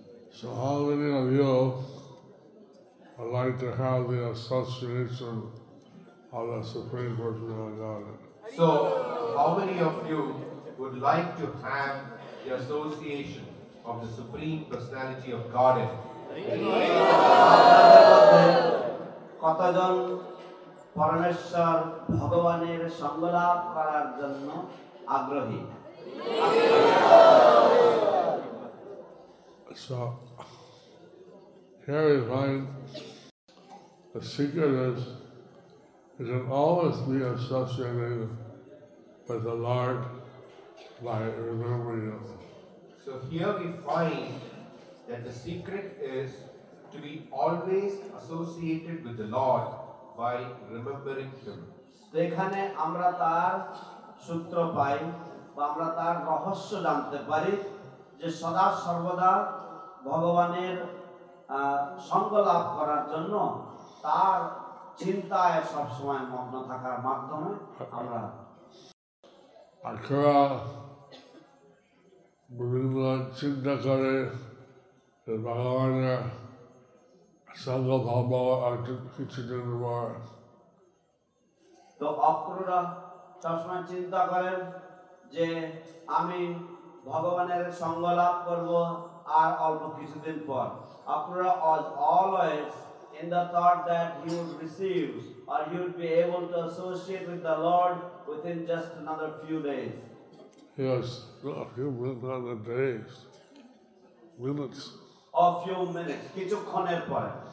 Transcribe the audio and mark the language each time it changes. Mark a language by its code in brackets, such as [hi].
[en] So how many of you would like to have the association of the Supreme Personality of Godhead? So how many of you would like to have the association of the Supreme Personality of Godhead? [bn] কতজন পরমেশ্বর ভগবানের সঙ্গলাভ করার জন্য আগ্রহী? [en] So here we find the secret is you can always be associated with the Lord by remembering Him. So here we find that the secret is to be always associated with the Lord by remembering Him. [bn] দেখানে আমরা তার সূত্র পাই বা আমরা তার রহস্য জানতে পারি যে সদা সর্বদা ভগবানের সঙ্গ লাভ করার জন্য তার চিন্তায় সব সময় মগ্ন থাকার মাধ্যমে আমরা আখরা বিভিন্ন চিন্তা করে ভগবানের সঙ্গ ভাব কিছুদিন পর তো অক্ষরা সবসময় চিন্তা করেন যে আমি ভগবানের সঙ্গ লাভ করব আর অল্প কিছুদিন পর [en] Akshara was always in the thought that he would receive or he would be able to associate with the lord with in just another few days he was a few another days minutes A few minutes, [bn] কিছুক্ষণের পরে.